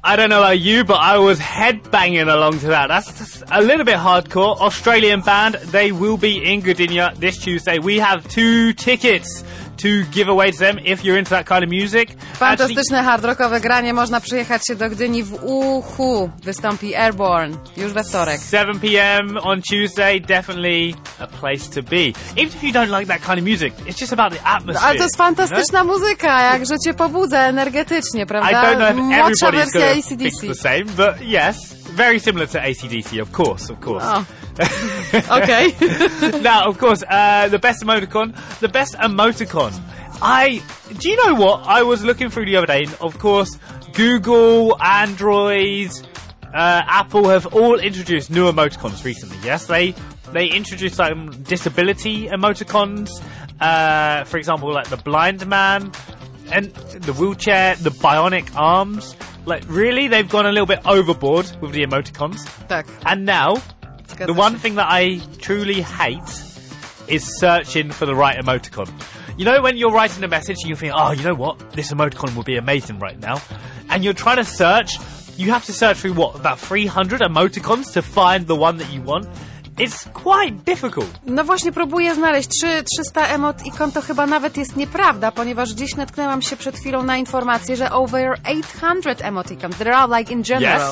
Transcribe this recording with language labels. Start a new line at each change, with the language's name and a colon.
English: I don't know about you, but I was headbanging along to that. That's a little bit hardcore. Australian band, they will be in Gdynia this Tuesday. We have two tickets to give away to them if you're into that kind of music.
Polish: Fantastyczne hardrockowe granie. Można przyjechać się do Gdyni w Uchu. Wystąpi Airborne już we wtorek.
English: 7 p.m. on Tuesday. Definitely a place to be. Even if you don't like that kind of music, it's just about the atmosphere.
Polish: Ale to jest fantastyczna muzyka. Jakże cię pobudza energetycznie. Prawda?
English: I don't know if everybody's going to fix the same, but yes, very similar to AC/DC, of course. Oh. Okay. Now, of course, the best emoticon. Do you know what? I was looking through the other day, and of course, Google, Android, Apple have all introduced new emoticons recently. Yes, they introduced some disability emoticons. For example, like the blind man. And the wheelchair, the bionic arms. Like, really? They've gone a little bit overboard with the emoticons.
Polish: Tak.
English: And now, the one thing that I truly hate is searching for the right emoticon. You know when you're writing a message and you think, oh, you know what? This emoticon would be amazing right now. And you're trying to search. You have to search through, what, about 300 emoticons to find the one that you want. It's quite difficult.
Polish: No właśnie, próbuję znaleźć 300 emoticon, to chyba nawet jest nieprawda, ponieważ dziś natknęłam się przed chwilą na informację, że
English: over 800 emoticons, there are like in general.